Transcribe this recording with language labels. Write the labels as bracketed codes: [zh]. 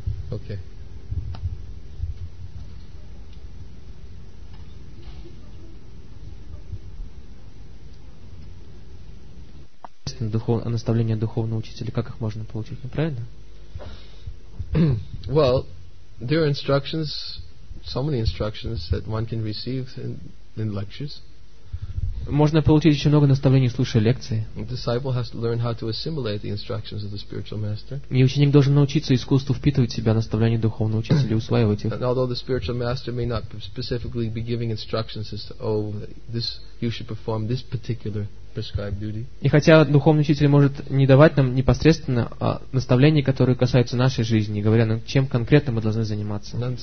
[en] Okay. Okay. [ru] Наставления духовного учителя, как их можно получить, неправильно? [en] Well, there are instructions, so many instructions that one can receive in lectures. [ru] Можно получить еще много наставлений, слушая лекции. [en] Disciple has to learn how to assimilate the instructions of the spiritual master. [ru] И ученик должен научиться искусству впитывать в себя наставления духовного учителя, усваивать их. [en] And although the spiritual master may not specifically be giving instructions as to, oh, this you should perform this particular. [ru] И хотя духовный учитель может не давать нам непосредственно наставления, которые касаются нашей жизни, говоря нам, чем конкретно мы должны заниматься.